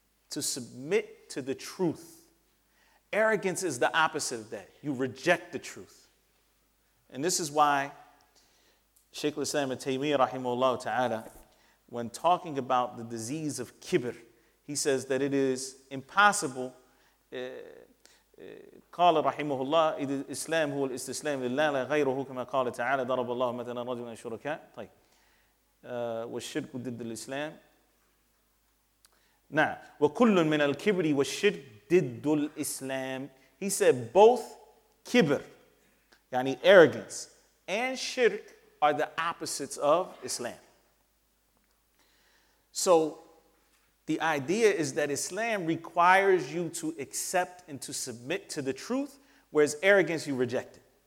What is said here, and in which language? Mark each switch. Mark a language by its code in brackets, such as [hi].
[en] To submit to the truth. Arrogance is the opposite of that. You reject the truth. And this is why Shaykh al-Islam ibn Taymiyyah rahimahullah ta'ala, when talking about the disease of kibr, he says that it is impossible. [ar] قال رحمه الله إذ الإسلام هو الاستسلام لله لا غيره كما قال تعالى ضرب الله مثلا رجلا شركاء طيب والشرك ضد الإسلام نعم وكل من الكبر والشرك ضد الإسلام. [en] He said both kibr, [ar] يعني [en] arrogance, and shirk are the opposites of Islam. So the idea is that Islam requires you to accept and to submit to the truth, whereas arrogance, you reject it.